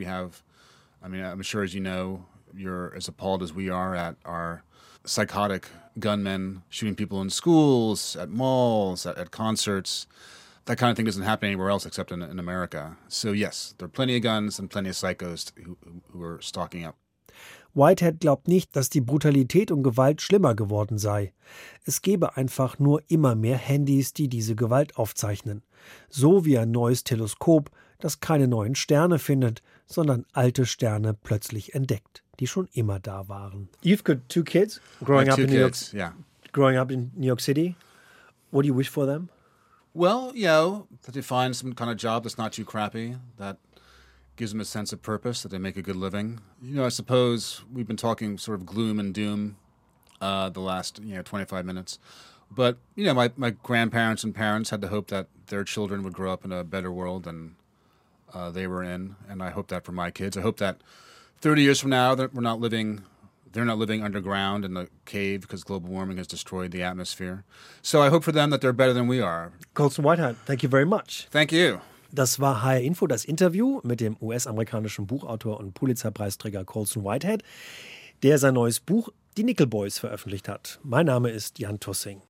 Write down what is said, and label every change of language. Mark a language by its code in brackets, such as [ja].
[en] We have, I mean, I'm sure, as you know, you're as appalled as we are at our psychotic gunmen shooting people in schools, at malls, at concerts. That kind of thing doesn't happen anywhere else except in America. So yes, there are plenty of guns and plenty of psychos who are stocking up. [de] Whitehead glaubt nicht, dass die Brutalität und Gewalt schlimmer geworden sei. Es gäbe einfach nur immer mehr Handys, die diese Gewalt aufzeichnen. So wie ein neues Teleskop, das keine neuen Sterne findet, sondern alte Sterne plötzlich entdeckt, die schon immer da waren. [en] You've got two kids growing up in New York. Yeah. Growing up in New York City. What do you wish for them? Well, you know, that they find some kind of job that's not too crappy, that gives them a sense of purpose, that they make a good living. You know, I suppose we've been talking sort of gloom and doom the last, you know, 25 minutes. But, you know, my grandparents and parents had the hope that their children would grow up in a better world than they were in. And I hope that for my kids. I hope that 30 years from now, they're not living underground in the cave because global warming has destroyed the atmosphere. So I hope for them that they're better than we are. Colson Whitehead, thank you very much. Thank you. [de] Das war HR Info, das Interview mit dem US-amerikanischen Buchautor und Pulitzer-Preisträger Colson Whitehead, der sein neues Buch Die Nickel Boys veröffentlicht hat. Mein Name ist Jan Tussing.